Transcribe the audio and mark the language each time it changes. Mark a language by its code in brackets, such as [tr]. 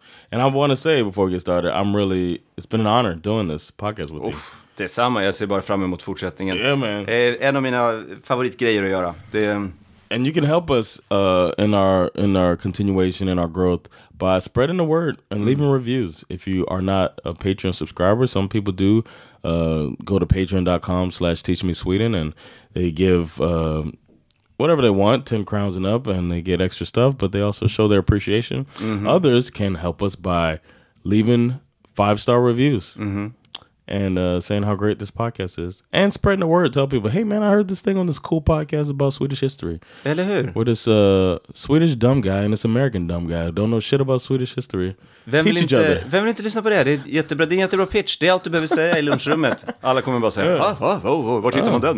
[en] And I want to say before we get started, it's been an honor doing this podcast with you. [sv] Det är samma, jag ser bara fram emot fortsättningen. [en] Yeah, man. [sv] En av mina favoritgrejer att göra. [en] And you can help us in our continuation, in our growth, by spreading the word and leaving reviews. If you are not a Patreon subscriber, some people do, go to patreon.com/teachmesweden and they give whatever they want, 10 crowns and up, and they get extra stuff, but they also show their appreciation. Mm-hmm. Others can help us by leaving 5-star reviews. Mm-hmm. And saying how great this podcast is. And spreading the word. Tell people, hey, man, I heard this thing on this cool podcast about Swedish history. [sv] Eller hur? [en] With this Swedish dumb guy and this American dumb guy. Don't know shit about Swedish history. [sv] Vem vill inte lyssna på det? Det är jättebra. Det är en jättebra pitch. Det är allt du behöver säga i lunchrummet. Alla kommer bara säga, vart hittar man den?